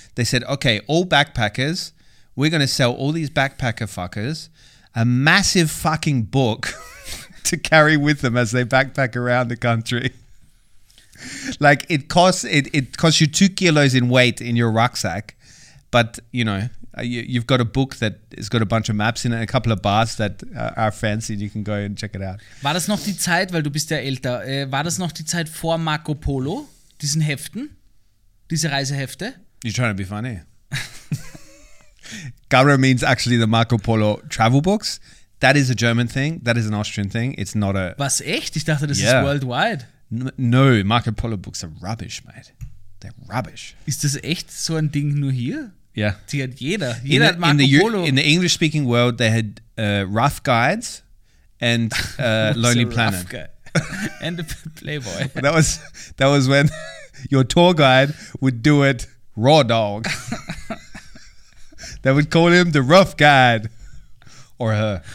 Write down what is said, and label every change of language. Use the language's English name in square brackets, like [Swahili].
[English] They said, okay, all backpackers, we're going to sell all these backpacker fuckers a massive fucking book to carry with them as they backpack around the country. Like it costs you 2 kilos in weight in your rucksack, but you know. You've got a book that has got a bunch of maps in it, a couple of bars that are fancy and you can go and check it out. [German] War das noch die Zeit, weil du bist ja älter, war das noch die Zeit vor Marco Polo, diesen Heften, diese Reisehefte? [English] You're trying to be funny. Gabriel means actually the Marco Polo travel books. That is a German thing. That is an Austrian thing. It's not a... [German] Was, echt? Ich dachte, das yeah. ist worldwide. [English] No, Marco Polo books are rubbish, mate. They're rubbish. [German] Ist das echt so ein Ding nur hier? [English] Yeah. [German] Die hat jeder. Jeder hat Marco Polo. [English] In the English speaking world, they had Rough Guides and Lonely Planet. And the Playboy. That was when your tour guide would do it raw dog. They would call him the rough guide. Or her.